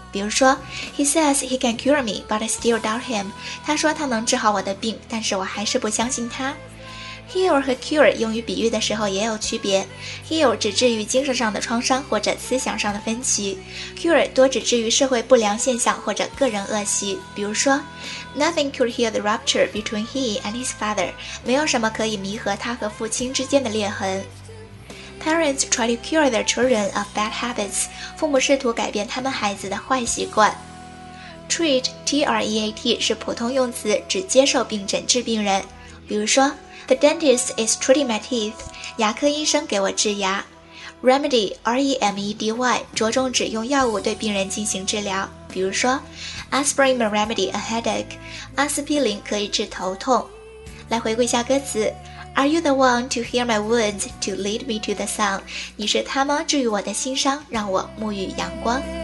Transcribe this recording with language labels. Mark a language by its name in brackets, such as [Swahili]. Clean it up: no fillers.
[Chinese] 比如说 [English] ,He says he can cure me, but I still doubt him. [Chinese] 他说他能治好我的病，但是我还是不相信他。Heal 和 cure 用于比喻的时候也有区别。 Heal 指治愈精神上的创伤或者思想上的分歧。 Cure 多指治愈社会不良现象或者个人恶习。比如说 [English] ,Nothing could heal the rupture between he and his father. [Chinese] 没有什么可以弥合他和父亲之间的裂痕。 [English] Parents try to cure their children of bad habits. [Chinese] 父母试图改变他们孩子的坏习惯。 Treat, T-R-E-A-T, 是普通用词，指接受并诊治病人。比如说 [English] ,The dentist is treating my teeth. [Chinese] 牙科医生给我治牙。 Remedy, R-E-M-E-D-Y, 着重指用药物对病人进行治疗。比如说 [English] ,Aspirin may remedy a headache. [Chinese] 阿司匹林可以治头痛。来回顾一下歌词。 [English] Are you the one to hear my wounds, to lead me to the sun? [Chinese] 你是他吗？治愈我的心伤，让我沐浴阳光。